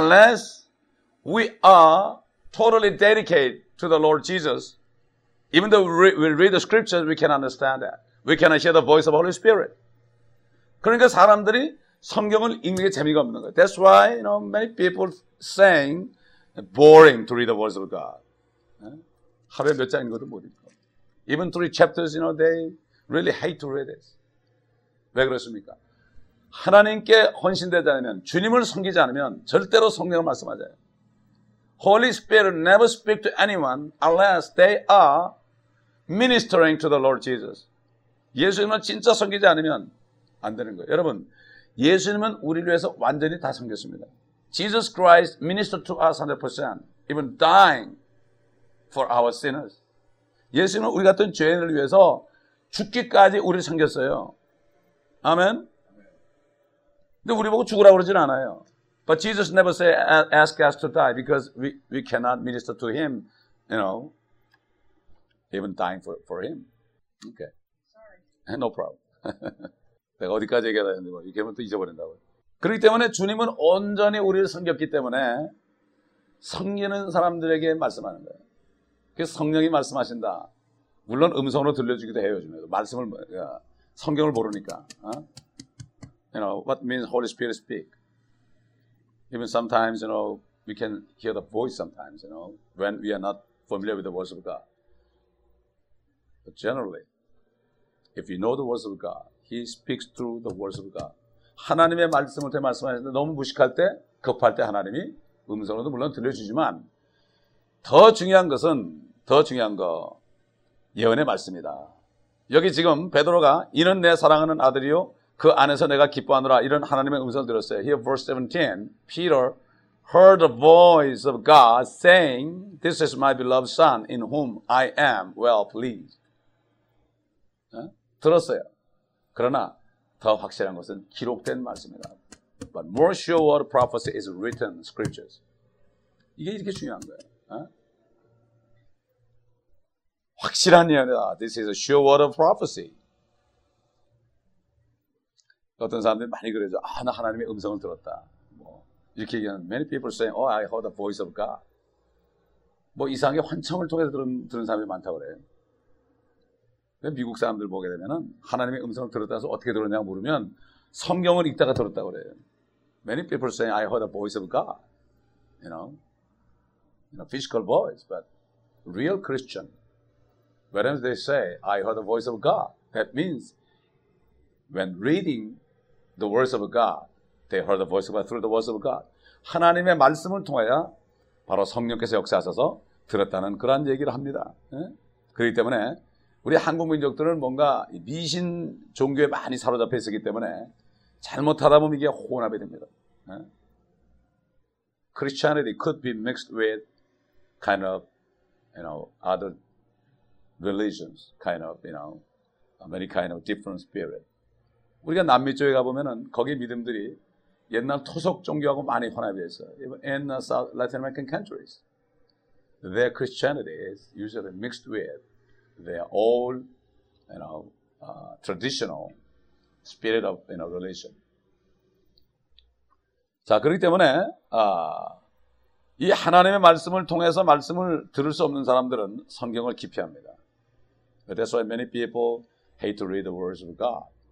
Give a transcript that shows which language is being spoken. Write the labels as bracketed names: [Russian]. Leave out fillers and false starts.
[English] Unless we are totally dedicated to the Lord Jesus, even though we read the scriptures, we can understand that. We cannot hear the voice of Holy Spirit. [Korean] 그러니까 사람들이 성경을 읽는 게 재미가 없는 거예요. [English] That's why, you know, many people saying boring to read the words of God. [Korean] 하루에 몇 장 읽어도 못 읽고. [English] Even three chapters, you know, they really hate to read it. [Korean] 왜 그렇습니까? 하나님께 헌신되지 않으면, 주님을 섬기지 않으면 절대로 성경을 말씀하지 않아요. [English] Holy Spirit never speak to anyone unless they are ministering to the Lord Jesus. [Korean] 예수님을 진짜 섬기지 않으면 안 되는 거예요. 여러분, 예수님은 우리를 위해서 완전히 다 섬겼습니다. [English] Jesus Christ ministered to us 100%, even dying for our sinners. [Korean] 예수님은 우리 같은 죄인을 위해서 죽기까지 우리를 섬겼어요. 아멘. 근데 우리 보고 죽으라고 그러진 않아요. [English] But Jesus never say ask us to die because we cannot minister to him, you know, even dying for him. Okay. Sorry. No problem. [Korean] 내가 어디까지 얘기하다 했는데 이렇게 하면 또 잊어버린다고. 그렇기 때문에 주님은 온전히 우리를 섬겼기 때문에 섬기는 사람들에게 말씀하는 거예요. 그래서 성령이 말씀하신다. 물론 음성으로 들려주기도 해요, 요즘에도. 말씀을, 성경을 모르니까. [English] You know, what means Holy Spirit speak? Even sometimes, you know, we can hear the voice sometimes, you know, when we are not familiar with the voice of God. But generally, if you know the voice of God, He speaks through the words of God. [Korean] 하나님의 말씀을 통해 말씀하시는데 너무 무식할 때, 급할 때 하나님이 음성으로도 물론 들려주지만 더 중요한 거 예언의 말씀이다. 여기 지금 베드로가 이는 내 사랑하는 아들이요 그 안에서 내가 기뻐하노라 이런 하나님의 음성을 들었어요. [English] Here verse 17, Peter heard the voice of God saying, "This is my beloved Son, in whom I am well pleased." [Korean] 들었어요. 그러나 더 확실한 것은 기록된 말씀이다. [English] But more sure word prophecy is written scriptures. [Korean] 이게 이렇게 중요한 거예요. 확실한 예언이다. [English] This is a sure word of prophecy. [Korean] 어떤 사람들이 많이 그러죠. 아, 나 하나님의 음성을 들었다. 뭐 이렇게 얘기하는 [English] many people saying, "Oh, I heard the voice of God." [Korean] 뭐 이상하게 환청을 통해서 들은 사람이 많다고 그래요. 미국 사람들 보게 되면은 하나님의 음성을 들었다 해서 어떻게 들었냐고 물으면 성경을 읽다가 들었다고 그래요. [English] Many people saying, "I heard the voice of God." You know, physical voice, but real Christian. Whenever they say, "I heard the voice of God," that means when reading the words of God, they heard the voice of God through the words of God. [Korean] 하나님의 말씀을 통하여 바로 성령께서 역사하셔서 들었다는 그런 얘기를 합니다. 예? 그렇기 때문에 우리 한국 민족들은 뭔가 미신 종교에 많이 사로잡혀 있었기 때문에 잘못하다 보면 이게 혼합이 됩니다. 예? [English] Christianity could be mixed with kind of, you know, other religions, kind of, you know, many kind of different spirit. [Korean] 우리가 남미 쪽에 가보면은 거기 믿음들이 옛날 토속 종교하고 많이 혼합이 있어요. [English] Even in the South Latin American countries, their Christianity is usually mixed with their old, you know, traditional spirit of, you know, religion. [Korean] 자, 그렇기 때문에, 이 하나님의 말씀을 통해서 말씀을 들을 수 없는 사람들은 성경을 기피합니다. [English] But that's why many people hate to read the words of God.